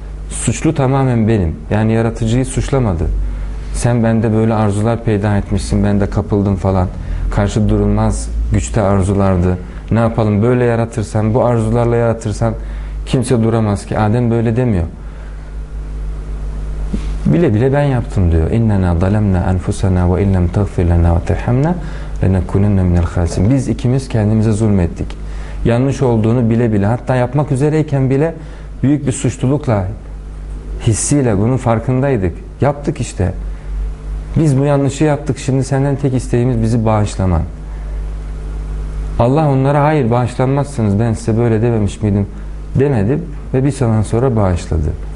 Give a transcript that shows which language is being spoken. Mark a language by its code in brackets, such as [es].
[tr] Suçlu tamamen benim. Yani yaratıcıyı suçlamadı. Sen bende böyle arzular peyda etmişsin, ben de kapıldım falan. Karşı durulmaz güçte arzulardı. Ne yapalım, böyle yaratırsan, bu arzularla yaratırsan kimse duramaz ki. Adem böyle demiyor. Bile bile ben yaptım diyor. [ar] اِنَّنَا ظَلَمْنَا اَنْفُسَنَا وَاِلَّمْ تَغْفِرْ لَنَا وَتَرْحَمْنَا لَنَكُنَنَّ مِنَ الْخَاسِينَ. [tr] Biz ikimiz kendimize zulmettik. Yanlış olduğunu bile bile, hatta yapmak üzereyken bile büyük bir suçlulukla, hissiyle bunun farkındaydık. Yaptık işte. Biz bu yanlışı yaptık. Şimdi senden tek isteğimiz bizi bağışlaman. Allah onlara hayır bağışlanmazsınız, ben size böyle dememiş miydim demedim ve bir zaman sonra bağışladı.